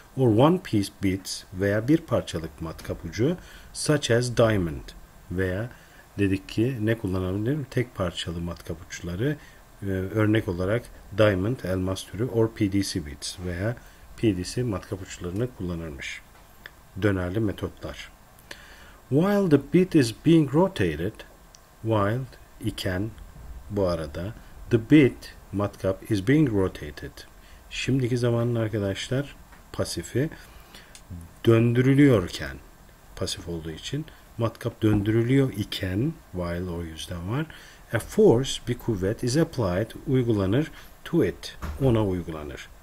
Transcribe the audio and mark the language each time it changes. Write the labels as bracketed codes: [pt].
[en] Or one piece bits [tr] veya bir parçalık matkap ucu, [en] such as diamond [tr] veya dedik ki ne kullanabilirim? Tek parçalı matkap uçları, örnek olarak diamond, elmas türü, [en] or PDC bits [tr] veya PDC matkap uçlarını kullanırmış. Dönerli metotlar. [en] While the bit is being rotated, while [tr] iken, bu arada, [en] the bit, matkap is being rotated. [tr] Şimdiki zamanın arkadaşlar pasifi, döndürülüyorken, pasif olduğu için matkap döndürülüyor iken, while, o yüzden var. [en] A force, [tr] bir kuvvet, [en] is applied, [tr] uygulanır, [en] to it, [tr] ona uygulanır.